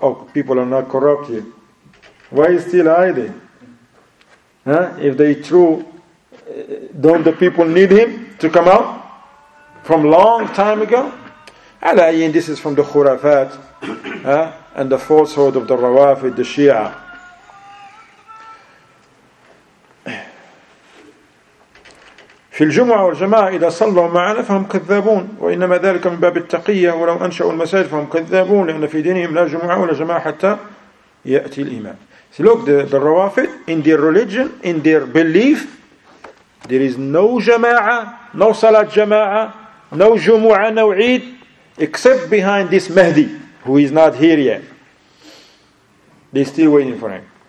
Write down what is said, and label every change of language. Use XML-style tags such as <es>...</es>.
<en>Oh, people are not corrupt here. Why is he still hiding? Huh? If they true, don't the people need him to come out from long time ago? Alayin, this is from the khurafat, and the falsehood of the Rawafid, the Shia.</en> <ar>في الجمعة والجماعة إذا صلوا معنا فهم كذابون وإنما ذلك من باب التقية ولو أنشأوا المساجد فهم كذابون لأن في دينهم لا جمعة ولا جماعة حتى يأتي الإمام.</ar> <en>So look, the Rawafid, in their religion, in their belief, there is no جماعة, no صلاة جماعة, no جمعة, no عيد, except behind this Mahdi, who is not here yet. They're still waiting for him.</en>